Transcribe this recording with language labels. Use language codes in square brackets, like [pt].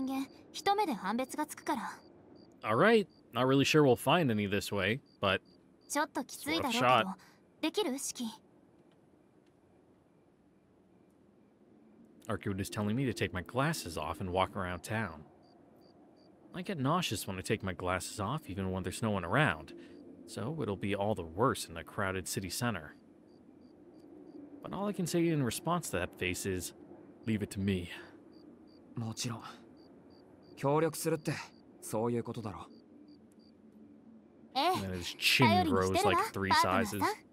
[ja] よし、吸血鬼探しを始めよう。今夜はどこに行くんだ?今夜は特に当たりをつけている場所はないわ。街を歩いて死者を見つけるぐらい。あなたの目なら生きている人間と死んでいる人間、一目で判別がつくから。 [en] Alright, not really sure we'll find any this way, but... [ja] ちょっときついだろうけど、できる?シキ。 [en] Arkwood is telling me to take my glasses off and walk around town. I get nauseous when I take my glasses off, even when there's no one around. So it'll be all the worse in a crowded city center. But all I can say in response to that face is, leave it to me. [ja] もちろん。協力するって、そういうことだろ。 [en] And then his chin grows like three sizes.